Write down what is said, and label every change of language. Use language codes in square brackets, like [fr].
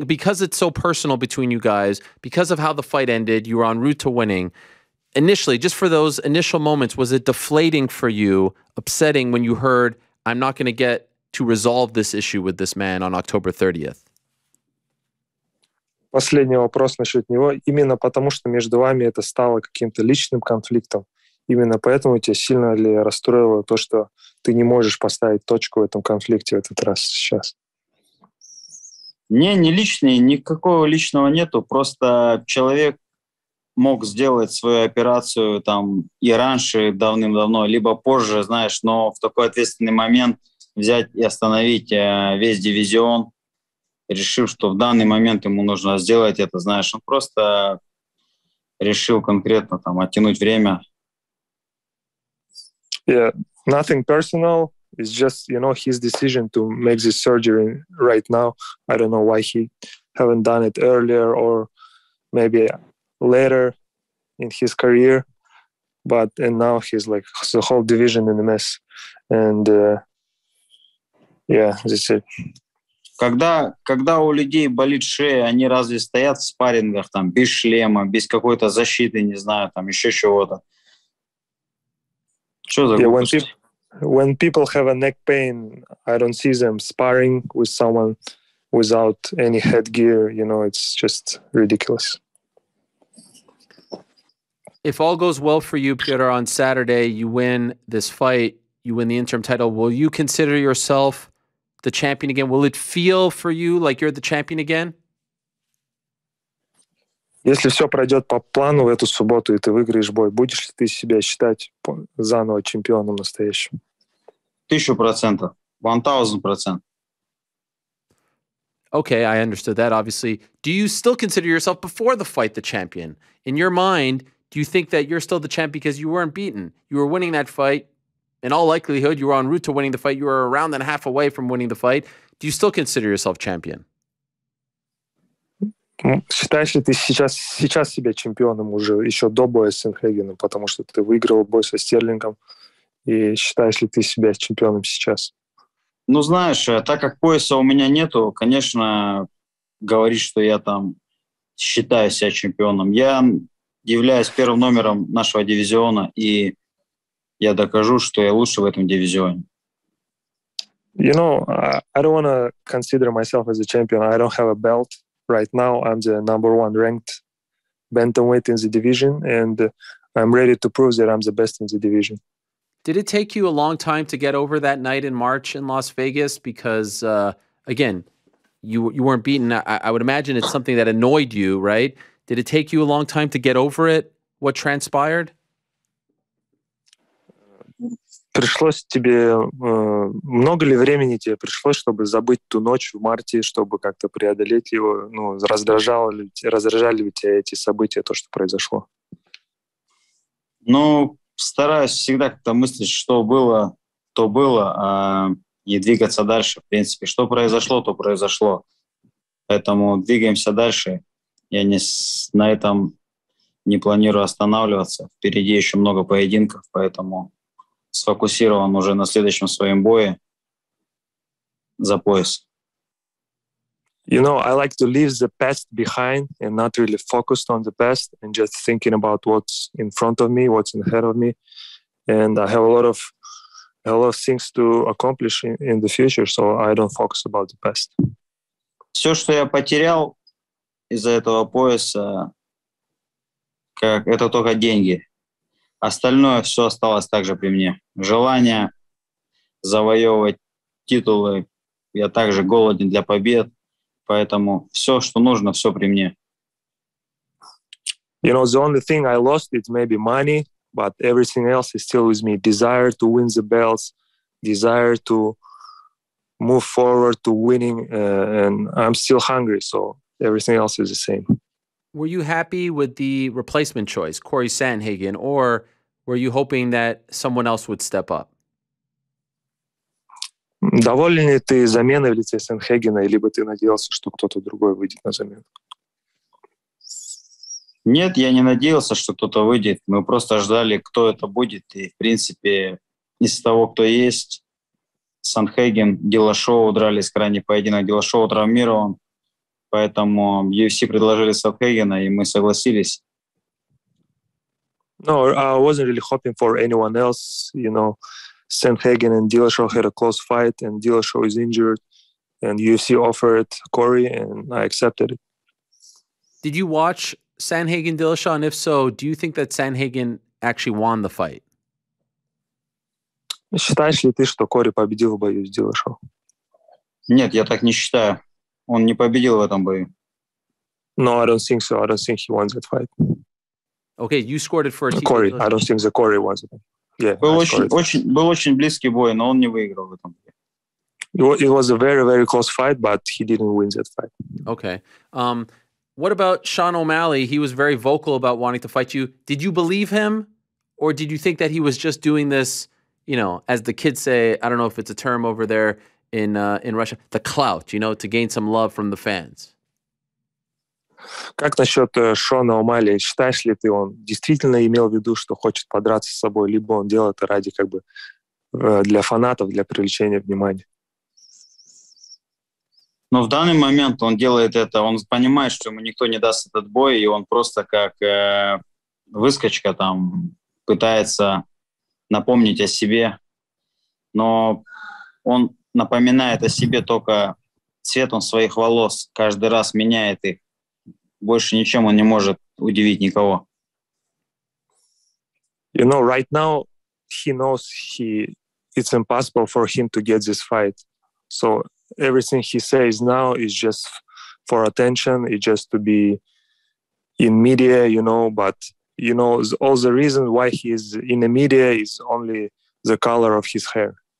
[en] Because it's so personal between you guys, because of how the fight ended, you were en route to winning. Initially, just for those initial moments, was it deflating for you, upsetting when you heard, I'm not going to get to resolve this issue with this man on October 30th? [ru] Последний вопрос насчет него. Именно потому, что между вами это стало каким-то личным конфликтом. Именно поэтому тебя сильно ли расстроило то, что ты не можешь поставить точку в этом конфликте в этот раз сейчас? Не, не личный, никакого личного нету. Просто человек мог сделать свою операцию там и раньше, давным-давно, либо позже, знаешь, но в такой ответственный момент взять и остановить весь дивизион. решил, что в данный момент ему нужно сделать это, знаешь, он просто решил конкретно там оттянуть время. [en] Yeah, nothing personal. It's just, you know, his decision to make this surgery right now. I don't know why he haven't done it earlier or maybe later in his career. But and now he's like the whole division in a mess. And yeah, that's it. [ru] Когда у людей болит шея, они разве стоят в спаррингах там без шлема, без какой-то защиты, не знаю, там еще чего-то? Что за глупость? [en] Yeah, when people have a neck pain, I don't see them sparring with someone without any headgear. You know, it's just ridiculous. If all goes well for you, Petr, on Saturday, you win this fight, you win the interim title, will you consider yourself the champion again? Will it feel for you like you're the champion again? [ru] Если все пройдет по плану в эту субботу, и ты выиграешь бой, будешь ли ты себя считать заново чемпионом настоящим? [en] 1000%. 1000%. Okay, I understood that, obviously. Do you still consider yourself before the fight the champion? In your mind, do you think that you're still the champ because you weren't beaten? You were winning that fight. In all likelihood, you were en route to winning the fight. You were a round and a half away from winning the fight. Do you still consider yourself champion? [ru] Считаешь ли ты сейчас себя чемпионом уже еще до боя с Сенхегеном, потому что ты выиграл бой со Стерлингом? И считаешь ли ты себя чемпионом сейчас? Ну, знаешь, так как пояса у меня нету, конечно, говорить, что я там считаю себя чемпионом. Я являюсь первым номером нашего дивизиона, и я докажу, что я лучше в этом дивизионе. [en] You know, I don't want to consider myself as a champion. I don't have a belt. Right now, I'm the number one ranked bantamweight in the division, and I'm ready to prove that I'm the best in the division. Did it take you a long time to get over that night in March in Las Vegas? Because, again, you weren't beaten. I would imagine it's something that annoyed you, right? Did it take you a long time to get over it, what transpired? [ru] Пришлось тебе... много ли времени тебе пришлось, чтобы забыть ту ночь в марте, чтобы как-то преодолеть его? Ну, раздражали ли тебя эти события, то, что произошло? Ну... Стараюсь всегда как-то мыслить, что было, то было, и двигаться дальше, в принципе. Что произошло, то произошло. Поэтому двигаемся дальше. Я на этом не планирую останавливаться. Впереди еще много поединков, поэтому сфокусирован уже на следующем своем бое за пояс. [en] You know, I like to leave the past behind and not really focused on the past and just thinking about what's in front of me, what's ahead of me. And I have a lot of things to accomplish in the future, so I don't focus about the past. [ru] Все, что я потерял из-за этого пояса, это только деньги. Остальное все осталось также при мне. Желание завоевывать титулы, я также голоден для побед. Поэтому все, что нужно, все при мне. [en] You know, the only thing I lost is maybe money, but everything else is still with me. Desire to win the belts, desire to move forward to winning, and I'm still hungry, so everything else is the same. Were you happy with the replacement choice, Cory Sandhagen, or were you hoping that someone else would step up? [ru] Доволен ли ты заменой в лице Сенхегена, либо ты надеялся, что кто-то другой выйдет на замену? Нет, я не надеялся, что кто-то выйдет. Мы просто ждали, кто это будет. И, в принципе, из того, кто есть, Сенхеген, Дилашоу удрали с крайней поединок. Дилашоу травмирован. Поэтому UFC предложили Сенхегена, и мы согласились. [en] No, I wasn't really hoping for anyone else, you know. Sandhagen and Dillashaw had a close fight and Dillashaw is injured and UFC offered Cory and I accepted it. Did you watch Sandhagen Dillashaw? And if so, do you think that Sandhagen actually won the fight? [ru] Считаешь ли ты, что Кори победил в бою с Дилашоу? Нет, я так не считаю. Он не победил в этом бою. [en] No, I don't think so. I don't think he won that fight. Okay, you scored it for a Cory. I don't think the Cory won it. Yeah, [ru] был очень близкий бой, но он не выиграл в этом. [en] It was a very, very close fight, but he didn't win that fight. Okay. What about Sean O'Malley? He was very vocal about wanting to fight you. Did you believe him, or did you think that he was just doing this, you know, as the kids say, I don't know if it's a term over there in Russia, the clout, you know, to gain some love from the fans? [ru] Как насчет Шона О'Малли? Считаешь ли ты, он действительно имел в виду, что хочет подраться с собой, либо он делал это ради как бы для фанатов, для привлечения внимания? Но в данный момент он делает это, он понимает, что ему никто не даст этот бой, и он просто как выскочка там пытается напомнить о себе. Но он напоминает о себе только цветом своих волос, каждый раз меняет их. Больше ничем он не может удивить никого. [en] You know, right now he knows it's impossible for him to get this fight. So everything he says now is just for attention. It's just to be in media, you know. But, you know, all the reason why he's in the media is only the color of his hair.